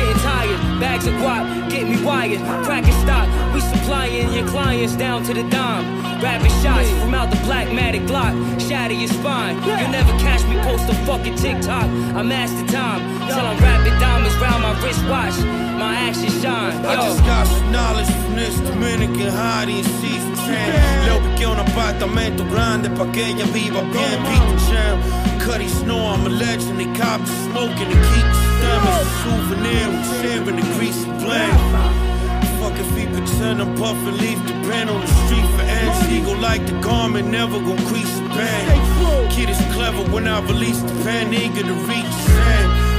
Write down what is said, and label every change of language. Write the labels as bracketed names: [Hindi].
[English] Tired, bags of guap, get me wired. Crackin' stock, we supplying your clients down to the dime. Rapping shots from out the black matic Glock, shatter your spine. You'll never catch me post a fucking TikTok. I master time, till I'm rapping diamonds round my wristwatch. My ashes shine. Yo. I just got some knowledge from this Dominican hottie and she's a champ. [Spanish] Lo que quiero un apartamento grande pa' que ella viva bien. [English] Beat the champ, Cuddy Snow, I'm a legend. They cop the smoke and they keep the stem. It's a souvenir, we're sharing the grease and blend. Fuck if he pretend I'm puffing, leave the pen on the street for ends. He gon' like the garment, never gon' crease the pen. Kid is clever when I release the pen, eager to reach his end.